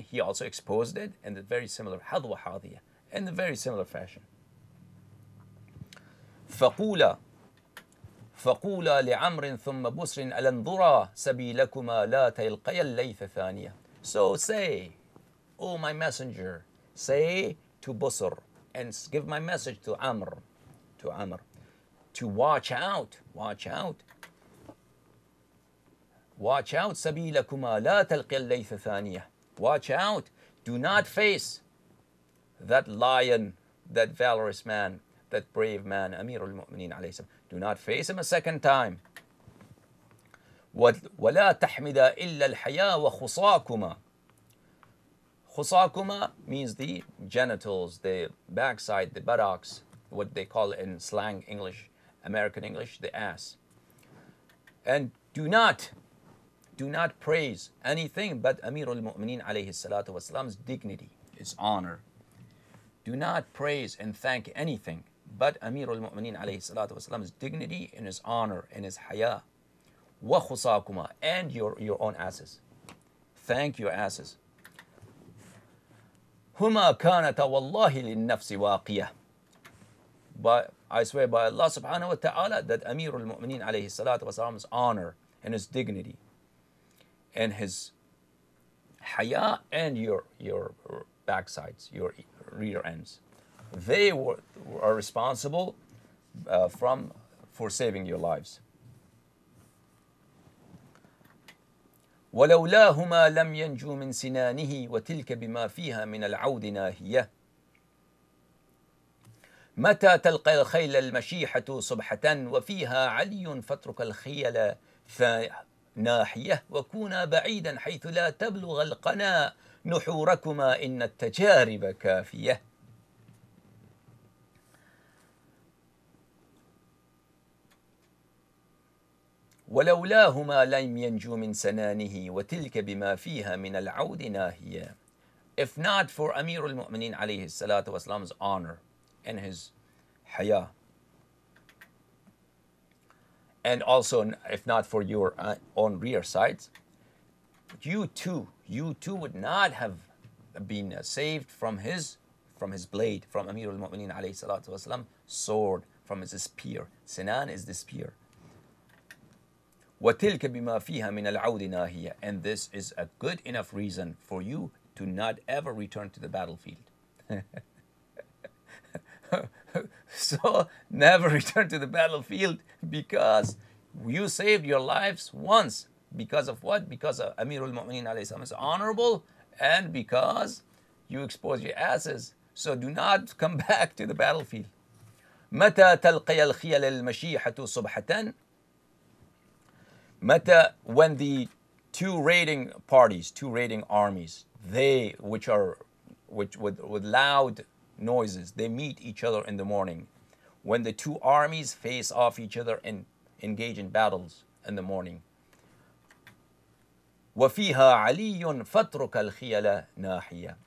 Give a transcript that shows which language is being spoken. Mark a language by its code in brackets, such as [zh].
[en] He also exposed it in the very similar [ar] حظوة حاضية [en] in the very similar fashion. [ar] فقولا لعمر ثم بسر ألا انظرا سبيلكما لا تلقيا الليث ثانية. [en] So say, oh my messenger, say to Busr and give my message to Amr, to watch out, [ar] سبيلكما لا تلقي الليث ثانية. [en] Watch out, do not face that lion, that valorous man, that brave man, Amir al-Mu'mineen alayhi salam. Do not face him a second time. [ar] ولا تحمدا إلا الحياة وخصاكما. [en] خصاكما means the genitals, the backside, the buttocks, what they call in slang English, American English, the ass. And do not praise anything but Amir al-Mu'mineen alayhi salatu wasalam's dignity, his honor. Do not praise and thank anything but Amir al-Mu'mineen alayhi salatu wasalam's dignity and his honor and his haya. وَخُصَاكُمَا and your own asses. Thank your asses. [ar] هُمَا كَانَتَ وَاللَّهِ لِلنَّفْسِ وَاقِيَةِ [en] But I swear by Allah subhanahu wa ta'ala that Amir al-Mu'mineen alayhi salatu wasalam's honor and his dignity and his haya and your backsides, your rear ends, they are responsible for saving your lives. [ar] ولولاهما لم ينجو من سنانه وتلك بما فيها من العود ناهية متى تلقى الخيل المشيحة صبحة وفيها علي فاترك الخيل ناحية وكونا بعيدا حيث لا تبلغ القناة نحوركما إن التجارب كافية. ولولاهما لم ينجو من سنانه وتلك بما فيها من العود ناهية. [en] If not for Amir al-Mu'mineen alayhi salatu wasalam's honor and his haya, and also if not for your own rear sides, you too would not have been saved from his blade, from Amir al-Mu'mineen alayhi salatu wasalam sword, from his spear. Sinan is the spear. [ar] وتلك بما فيها من العود ناهية. [en] And this is a good enough reason for you to not ever return to the battlefield. So never return to the battlefield because you saved your lives once. Because of what? Because Amir al-Mu'mineen alayhi salam is honorable and because you exposed your asses. So do not come back to the battlefield. [ar] متى تلقي الخيل المشيحة صبحة. [en] Meta, when the two raiding armies, which with loud noises, they meet each other in the morning. When the two armies face off each other and engage in battles in the morning. [ar] وفيها علي فترك الخيل ناحية.